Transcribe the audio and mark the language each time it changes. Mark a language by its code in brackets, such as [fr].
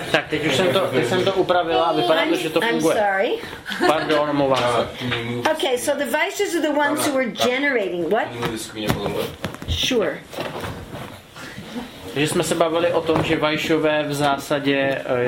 [cs] Tak, teď už jsem to upravila, vypadá to, že to funguje. [en] I'm sorry. [cs] Pardon, omlouvám se. [en] Okay, so the vices are the ones who are generating. What? Sure. [cs] Že jsme se bavili o tom, že Vaishyové v zásadě